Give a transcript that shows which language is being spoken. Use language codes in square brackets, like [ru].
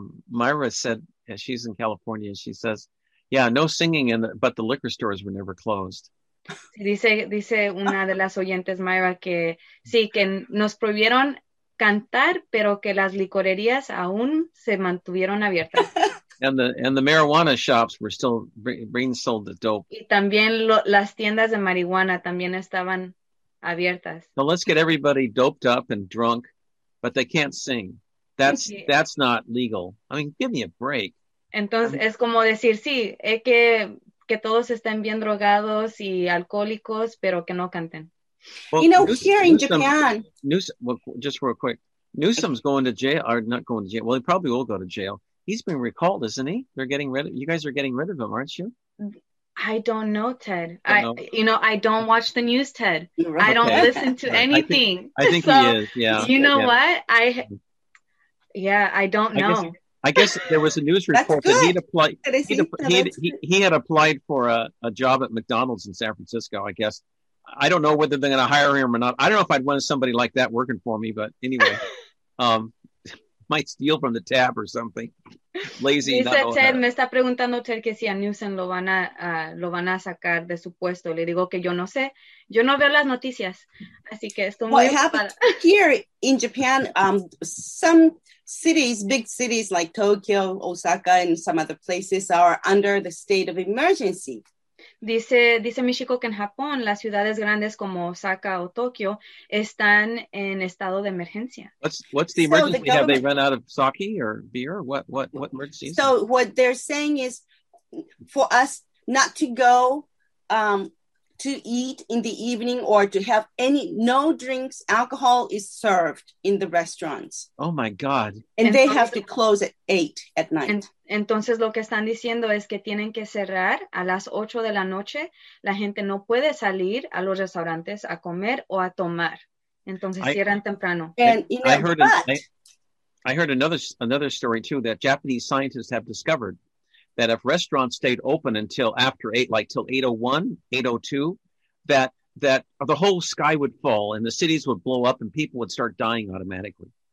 [en] Myra said, she's in California, she says, yeah, no singing, but the liquor stores were never closed. [es] Dice una de las oyentes, Myra, que sí, que nos prohibieron cantar, pero que las licorerías aún se mantuvieron abiertas. [en] And the marijuana shops were still being sold the dope. [es] Y también las tiendas de marihuana también estaban abiertas. [en] So let's get everybody doped up and drunk, but they can't sing. That's not legal. I mean, give me a break. [es] Entonces, es como decir, sí, es que todos estén bien drogados y alcohólicos, pero que no canten. [en] Well, you know, Japan. Just real quick. Newsom's going to jail, or not going to jail. Well, he probably will go to jail. He's been recalled, isn't he? You guys are getting rid of him, aren't you? I don't know, Ted. I don't watch the news, Ted. Okay. I don't listen to anything. I think he is, yeah. I don't know. I guess there was a news report that he had applied for a job at McDonald's in San Francisco, I guess. I don't know whether they're going to hire him or not. I don't know if I'd want somebody like that working for me, but anyway. might steal from the tab or something. Lazy. [es] Dice Ted, me está preguntando Ted que si a Newsom lo van a sacar de su puesto. Le digo que yo no sé. Yo no veo las noticias. Así que estoy muy ocupada. [en] Here in Japan, some cities, big cities like Tokyo, Osaka, and some other places are under the state of emergency. [es] Dice Michiko que en Japón las ciudades grandes como Osaka o Tokio están en estado de emergencia. [en] What's the emergency? So the government, have they run out of sake or beer? What emergency? So what they're saying is for us not to go to eat in the evening or to have no drinks, alcohol is served in the restaurants. Oh my God. And they have to close at 8 at night. [es] Entonces lo que están diciendo es que tienen que cerrar a las 8 de la noche. La gente no puede salir a los restaurantes a comer o a tomar. Entonces cierran temprano. [en] I heard another story too that Japanese scientists have discovered that if restaurants stayed open until after 8, like till 8:01, 8:02, that the whole sky would fall and the cities would blow up and people would start dying automatically.